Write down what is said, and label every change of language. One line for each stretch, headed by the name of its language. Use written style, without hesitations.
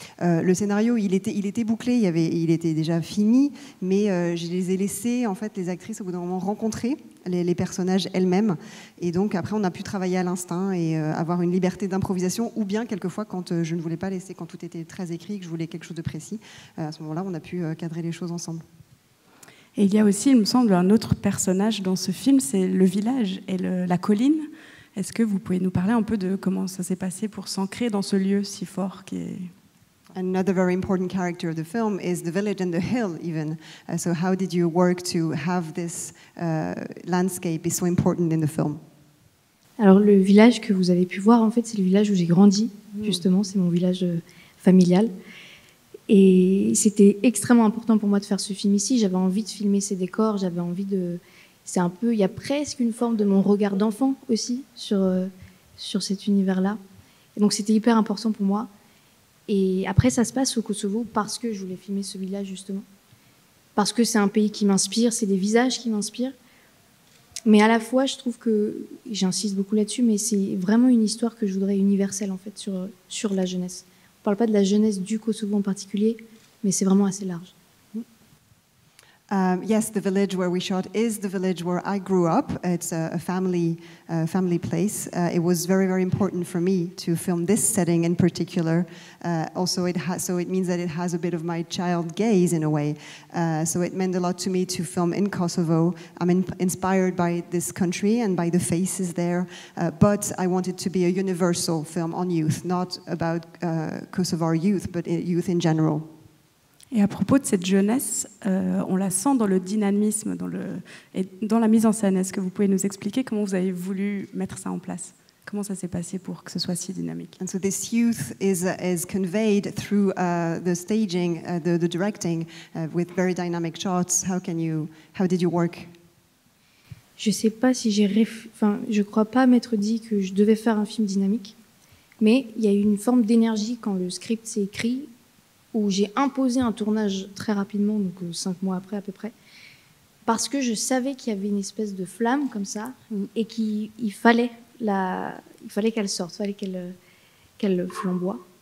French: Le scénario, il était bouclé, il était déjà fini, mais je les ai laissés en fait les actrices au bout d'un moment rencontrer les personnages elles-mêmes, et donc après on a pu travailler à l'instinct et avoir une liberté d'improvisation, ou bien quelquefois quand je ne voulais pas laisser, quand tout était très écrit, que je voulais quelque chose de précis, à ce moment-là on a pu cadrer les choses ensemble. Et il y a aussi, il me semble, un autre personnage dans ce film, c'est le village et la colline. Est-ce que vous pouvez nous parler un peu de comment ça s'est passé pour s'ancrer dans ce lieu si fort qui est...
English: Another very important character of the film is the village and the hill, even. So how did you work to have this landscape be so important in the film?
French: Alors, le village que vous avez pu voir, en fait, c'est le village où j'ai grandi, justement. C'est mon village familial. Et c'était extrêmement important pour moi de faire ce film ici. J'avais envie de filmer ces décors, j'avais envie de... C'est un peu... Il y a presque une forme de mon regard d'enfant aussi sur cet univers-là. Et donc c'était hyper important pour moi. Et après, ça se passe au Kosovo parce que je voulais filmer ce village, justement. Parce que c'est un pays qui m'inspire, c'est des visages qui m'inspirent. Mais à la fois, je trouve que... J'insiste beaucoup là-dessus, mais c'est vraiment une histoire que je voudrais universelle, en fait, sur la jeunesse. On ne parle pas de la jeunesse du Kosovo en particulier, mais c'est vraiment assez large.
English: Yes, the village where we shot is the village where I grew up. It's a family place. It was very, very important for me to film this setting in particular. So it means that it has a bit of my child gaze in a way. So it meant a lot to me to film in Kosovo. I'm inspired by this country and by the faces there. But I wanted to be a universal film on youth, not about Kosovar youth, but youth in general.
French: Et à propos de cette jeunesse, on la sent dans le dynamisme, dans la mise en scène. Est-ce que vous pouvez nous expliquer comment vous avez voulu mettre ça en place? Comment ça s'est passé pour que ce soit si dynamique?
English: And so this youth is conveyed through the staging, the directing, with very dynamic shots. How did you work?
French: Je ne sais pas si j'ai... Enfin, je ne crois pas m'être dit que je devais faire un film dynamique, mais il y a eu une forme d'énergie quand le script s'est écrit, où j'ai imposé un tournage très rapidement, donc 5 mois après à peu près, parce que je savais qu'il y avait une espèce de flamme comme ça, et qu'il fallait qu'elle sorte, il fallait qu'elle flamboie.